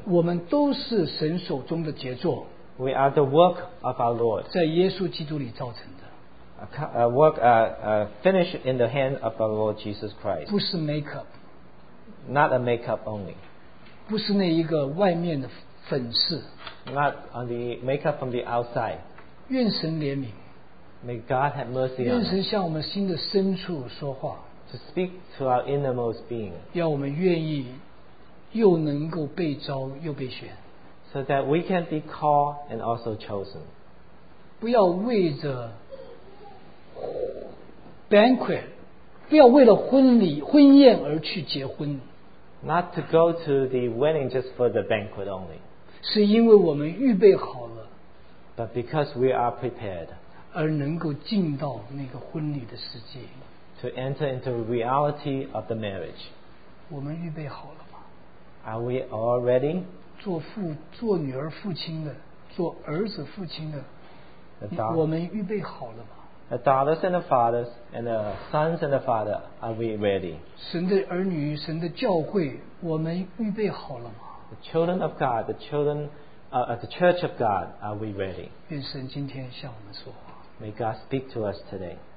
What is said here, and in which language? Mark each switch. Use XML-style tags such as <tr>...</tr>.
<zh>我们都是神手中的杰作。</zh> <en>We are the work of our Lord.</en> <zh>在耶稣基督里造成的。</zh> <en>A work finished in the hand of our Lord Jesus Christ.</en> <zh>不是 makeup.</zh> <en>Not a makeup only.</en> <zh>不是那一个外面的粉饰。</zh> <en>Not on the makeup from the outside.</en> <zh>愿神怜悯。</zh> <en>May God have mercy on us.</en> <zh>愿神向我们心的深处说话。</zh> <en>To speak to our innermost being.</en> <zh>要我们愿意。又能够被召又被选</zh> <en>so that we can be called and also chosen</en> <zh>不要为着 banquet 不要为了婚礼婚宴而去结婚</zh> <en>not to go to the wedding just for the banquet only</en> <zh>是因为我们预备好了</zh> <en>but because we are prepared</en> <zh>而能够进到那个婚礼的世界</zh> <en>to enter into the reality of the marriage</en> <zh>我们预备好了</zh> <en>Are we all ready?</en> <zh>做女儿父亲的，做儿子父亲的，我们预备好了吗？</zh> <en>The daughters and the fathers and the sons and the father, are we ready?</en> <zh>神的儿女，神的教会，我们预备好了吗？</zh> <en>The children of God, the church of God, are we ready?</en> <zh>愿神今天向我们说话。</zh> <en>May God speak to us today.</en>